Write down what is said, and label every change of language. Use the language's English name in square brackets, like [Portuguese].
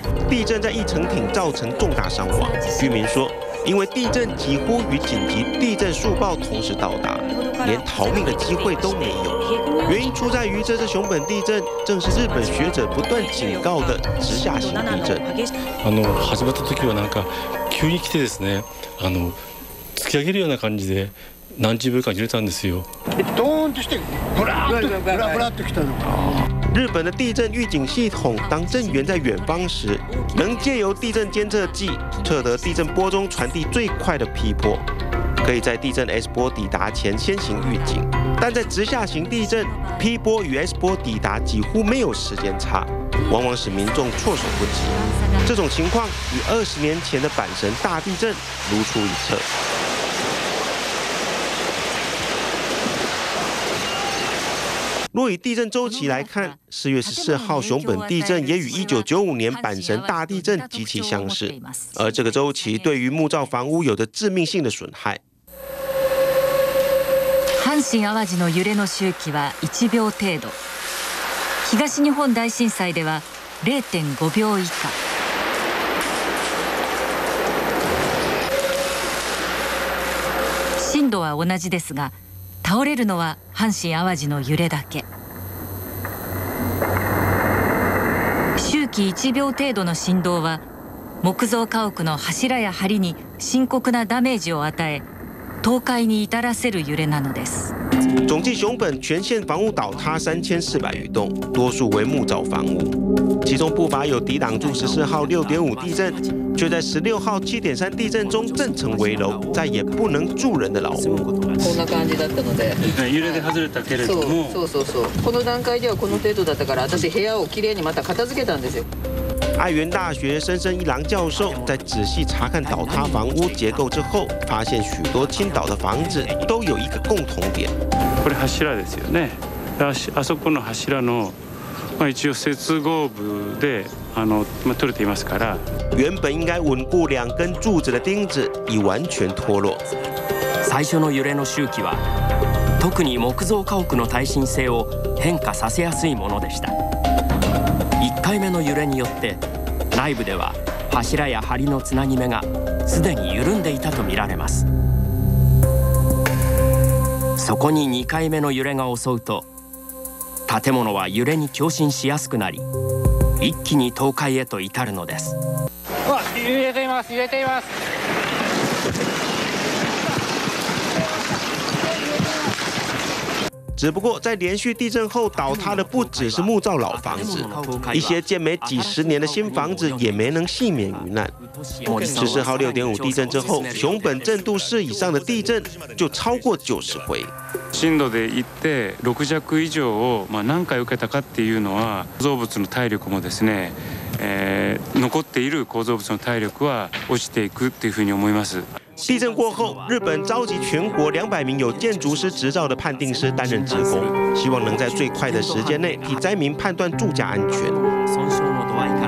[Chinese] 地震在一城町造成重大伤亡，居民说，因为地震几乎与紧急地震速报同时到达，连逃命的机会都没有。原因出在于这次熊本地震正是日本学者不断警告的直下型地震。 [Japanese] 始まった時はなんか急に来てですね、突き上げるような感じで何十秒間揺れたんですよ。ドーンとしてブラッとブラブラッと来たのか。 [Chinese] 日本的地震预警系统，当震源在远方时，能借由地震监测器测得地震波中传递最快的批波，可以在地震 S 波抵达前先行预警。但在直下型地震，批波与 S 波抵达几乎没有时间差，往往使民众措手不及。这种情况与20年前的阪神大地震如出一辙。若以地震周期来看，4月14号熊本地震也与1995年阪神大地震极其相似，而这个周期对于木造房屋有着致命性的损害。 [Japanese] 阪神淡路の揺れの周期は1秒程度。東日本大震災では 0.5 秒以下。震度は同じですが、倒れるのは阪神淡路の揺れだけ。周期1秒程度の振動は木造家屋の柱や梁に深刻なダメージを与え、倒壊に至らせる揺れなのです。 [Chinese] 总计熊本全县房屋倒塌3400余栋，多数为木造房屋，其中不乏有抵挡住14号 6.5 地震，却在16号 7.3 地震中震成危楼，再也不能住人的老屋。 [Japanese] こんな感じだったので、揺れで外れたけれども、そうそうそう、この段階ではこの程度だったから、私部屋をきれいにまた片付けたんですよ。 [Chinese] 爱媛大学深深一郎教授在仔细查看倒塌房屋结构之后，发现许多倾倒的房子都有一个共同点。 [Japanese] これ柱ですよね。あそこの柱の一応接合部で取れていますから。 [Chinese] 原本应该稳固两根柱子的钉子已完全脱落。 [Japanese] 最初の揺れの周期は特に木造家屋の耐震性を変化させやすいものでした。 1回目の揺れによって内部では柱や梁のつなぎ目がすでに緩んでいたとみられます。そこに2回目の揺れが襲うと建物は揺れに共振しやすくなり一気に倒壊へと至るのです。うわ、揺れています、揺れています。 [Chinese] 只不过在连续地震后倒塌的不只是木造老房子，一些建没几十年的新房子也没能幸免于难。十四号 6.5 地震之后，熊本震度4以上的地震就超过90回。 [Japanese] 震度で言って6弱以上を何回受けたかっていうのは、構造物の体力もですね、残っている構造物の体力は落ちていくっていうふうに思います。 [Chinese] 地震过后，日本召集全国200名有建筑师执照的判定师担任职工，希望能在最快的时间内替灾民判断住家安全。